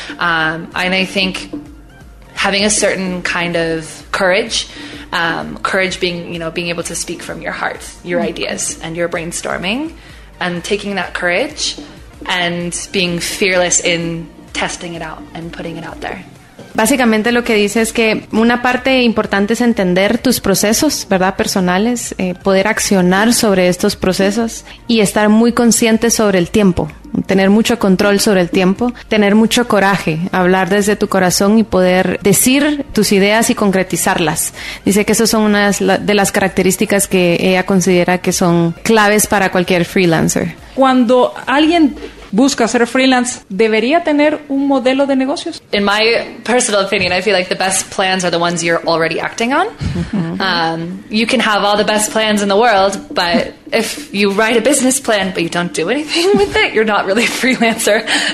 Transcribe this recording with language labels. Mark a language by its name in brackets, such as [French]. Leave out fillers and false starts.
[English] And I think having a certain kind of courage, courage being, you know, being able to speak from your heart, your ideas and your brainstorming, and taking that courage and being fearless in testing it out and putting it out there. [Spanish] Básicamente lo que dice es que una parte importante es entender tus procesos, ¿verdad? Personales, poder accionar sobre estos procesos y estar muy consciente sobre el tiempo, tener mucho control sobre el tiempo, tener mucho coraje, hablar desde tu corazón y poder decir tus ideas y concretizarlas. Dice que esas son unas de las características que ella considera que son claves para cualquier freelancer. Cuando alguien busca ser freelance, ¿debería tener un modelo de negocios? [English] In my personal opinion, I feel like the best plans are the ones you're already acting on. Mm-hmm. You can have all the best plans in the world, but if you write a business plan but you don't do anything with it, you're not really a freelancer.